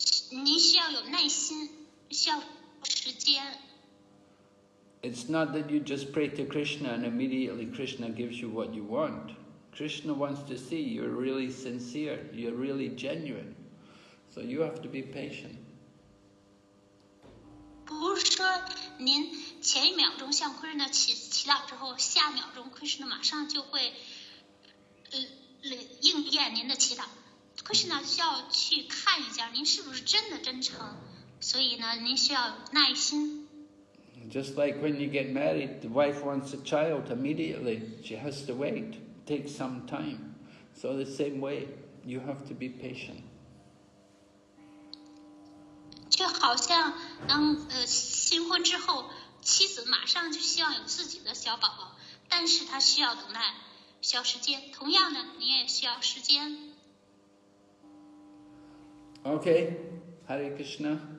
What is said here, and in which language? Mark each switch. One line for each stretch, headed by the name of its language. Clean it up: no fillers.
Chinese: 您需要有耐心，需要时间。
English: It's not that you just pray to Krishna and immediately Krishna gives you what you want. Krishna wants to see you're really sincere, you're really genuine. So you have to be patient.
Chinese: 不是说您前一秒钟向 Krishna 祈祷之后，下秒钟 Krishna 马上就会应验您的祈祷。 Krishna 需要去看一下您是不是真的真诚，所以呢，您需要耐心。
English: Just like when you get married, the wife wants a child immediately. She has to wait, take some time. So the same way, you have to be patient.
Chinese: 就好像当新婚之后，妻子马上就希望有自己的小宝宝，但是她需要等待，需要时间。同样的，你也需要时间。
English: Okay, Hare Krishna.